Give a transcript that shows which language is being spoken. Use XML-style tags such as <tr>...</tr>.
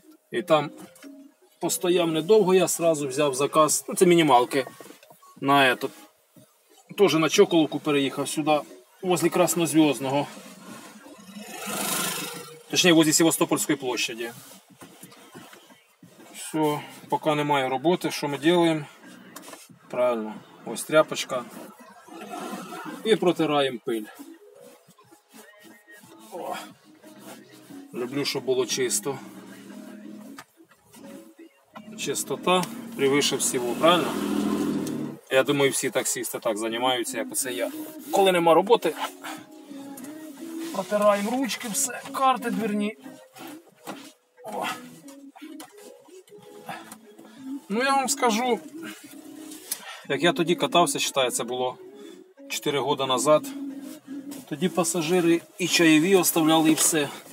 <uk>І там постояв недовго, я сразу взяв заказ, ну це мінімалки, на этот. Тоже на Чоколовку переїхав сюди, возле Краснозвездного. Точнее, возле Севастопольської площаді. Все, поки немає роботи, що ми робимо? Правильно, ось тряпочка. І протираємо пиль. О, люблю, щоб було чисто.</uk> <ru>Чистота превыше всего, правильно?</ru> <uk>Я думаю, всі таксісти так займаються, як оце я. Коли нема роботи, протираємо ручки, все, карти дверні. О. Ну, я вам скажу, як я тоді катався, вважаю, це було 4 роки назад, тоді пасажири і чайові оставляли, і все.</uk>